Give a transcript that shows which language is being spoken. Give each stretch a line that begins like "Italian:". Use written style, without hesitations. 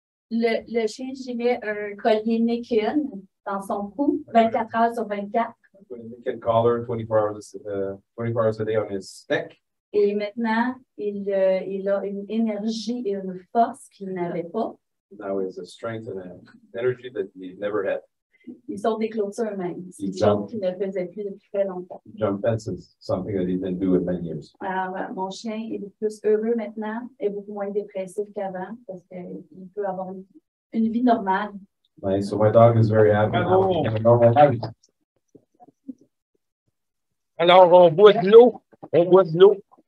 French: Le chien, j'y mets un collier Nikan dans son cou, 24 heures sur 24.
English: Nikan collar, 24 hours a day on his neck.
French: Et maintenant, il a une énergie et une force qu'il n'avait pas.
English: Now he has a strength and an energy that he never had.
French: Il sort des clôtures même. C'est une chose qu'il ne faisait plus depuis très longtemps.
English: Jump fences, something that he didn't do in many years.
French: Alors, mon chien est plus heureux maintenant et beaucoup moins dépressif qu'avant parce qu'il peut avoir une vie normale.
English: Nice. So my dog is very happy. Hello.
French: Alors, on boit de l'eau. On boit de l'eau.